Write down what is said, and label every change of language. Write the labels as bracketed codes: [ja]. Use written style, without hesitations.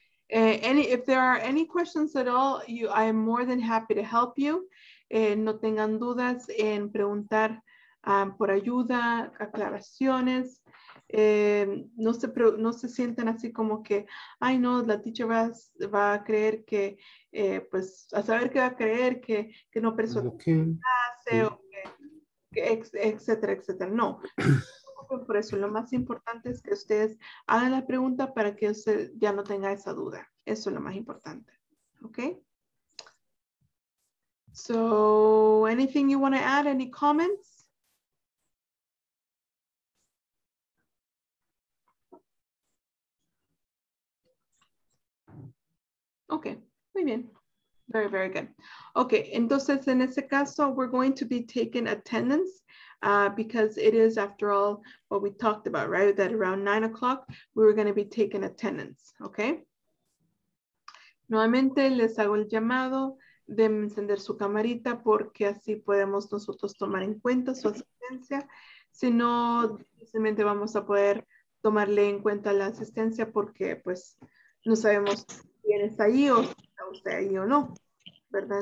[en] If there are any questions at all, I am more than happy to help you. [es] No tengan dudas en preguntar por ayuda, aclaraciones. No se sientan así como que, ay no, la teacher va a creer que, pues, a saber que va a creer que no preso clase, etcétera, etcétera. No. Por eso, lo más importante es que ustedes hagan la pregunta para que usted ya no tenga esa duda. Eso es lo más importante. ¿Ok? [en] So, anything you want to add? Any comments? Ok. [es] Muy bien. [en] Very, very good. Ok. [es] Entonces, en ese caso, [en] we're going to be taking attendance. Because it is, after all, what we talked about, right? That around 9 o'clock, we were going to be taking attendance, okay? [es] Nuevamente, les hago el llamado de encender su camarita porque así podemos nosotros tomar en cuenta su asistencia. Si no, simplemente vamos a poder tomarle en cuenta la asistencia porque, pues, no sabemos quién está ahí o si está usted ahí o no, ¿verdad?